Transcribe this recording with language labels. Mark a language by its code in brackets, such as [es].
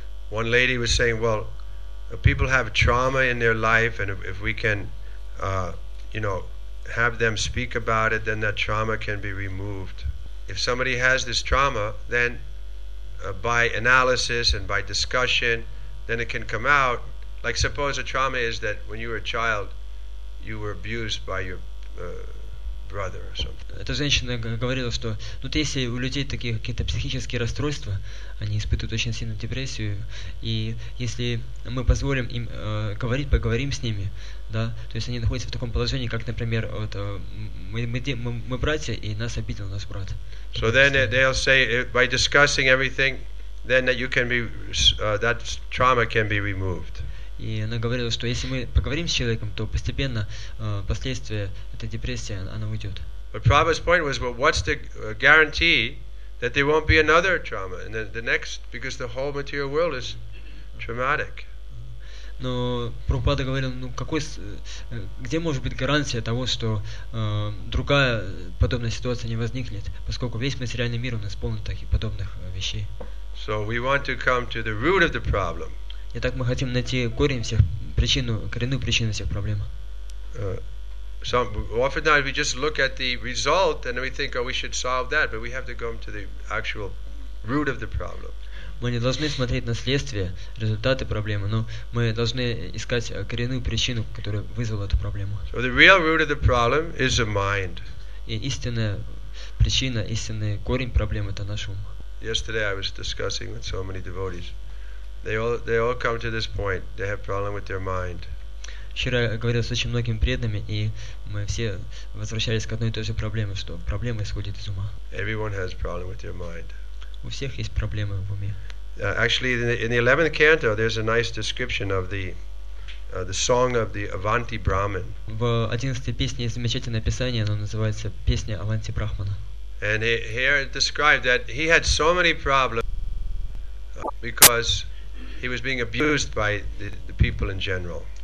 [en] One lady was saying, well, people have trauma in their life, and if we can, you know, have them speak about it, then that trauma can be removed. If somebody has this trauma, then by analysis and by discussion, then it can come out. Like, suppose a trauma is that when you were a child, you were abused by your brother or something. [ru] Эта женщина говорила, что вот если у людей такие какие-то психические расстройства, они испытывают очень сильную депрессию, и если мы позволим им говорить, поговорим с ними, да, то есть они находятся в таком положении, как, например, вот мы братья, и нас обидел наш брат. [en] So then they'll say, by discussing everything, then that you can be, that trauma can be removed. [ru] И она говорила, что если мы поговорим с человеком, то постепенно последствия этой депрессии, она уйдет. [en] But Prabhupada's point was, well, what's the guarantee that there won't be another trauma in the next, because the whole material world is traumatic. [ru] Но Прабхупада говорил, ну какой, где может быть гарантия того, что другая подобная ситуация не возникнет, поскольку весь материальный мир у нас полон таких подобных вещей. [en] So we want to come to the root of the problem. [ru] Итак, мы хотим найти корень всех, причину, коренную причину всех проблем. [en] So often times we just look at the result and we think, oh, we should solve that, but we have to go to the actual root of the problem. [ru] Мы не должны смотреть на следствие, результаты проблемы, но мы должны искать коренную причину, которая вызвала эту проблему. [en] So the real root of the problem is the mind. [ru] И истинная причина, истинный корень проблемы — это наш ум. [en] Yesterday I was discussing with so many devotees. They all come to this point. They have problem with their mind. [ru] Вчера я говорил с очень многими преданными, и мы все возвращались к одной и той же проблеме, что проблема исходит из ума. [en] Everyone has problem with their mind. [ru] У всех есть проблемы в уме. [en] Actually, in the 11th canto, there's a nice description of the song of the Avanti Brahman. [ru] В 11-й песне есть замечательное описание, оно называется «Песня Аванти Брахмана». [en] And here it described that he had so many problems because he was being abused by the people in general.